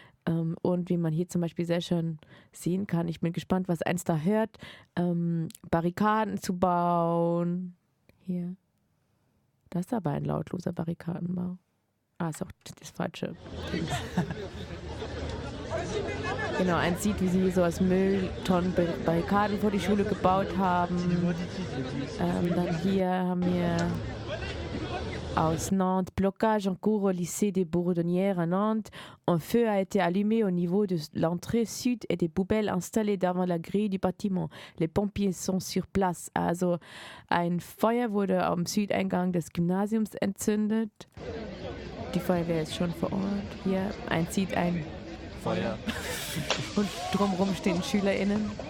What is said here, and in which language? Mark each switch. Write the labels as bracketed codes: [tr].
[de] Und wie man hier zum Beispiel sehr schön sehen kann, ich bin gespannt, was eins da hört, Barrikaden zu bauen. Hier. Das ist aber ein lautloser Barrikadenbau. Ah, ist auch das falsche. Genau, eins sieht, wie sie so aus Mülltonnen Barrikaden vor die Schule gebaut haben. Dann hier haben wir aus Nantes, [fr] Blockage en cours au lycée des Bourdonnières à Nantes. Un feu a été allumé au niveau de l'entrée sud et des poubelles installées devant la grille du bâtiment. Les pompiers sont sur place. [de] Also ein Feuer wurde am Südeingang des Gymnasiums entzündet. Die Feuerwehr ist schon vor Ort. Hier, eins sieht ein Feuer. Und drumherum stehen SchülerInnen.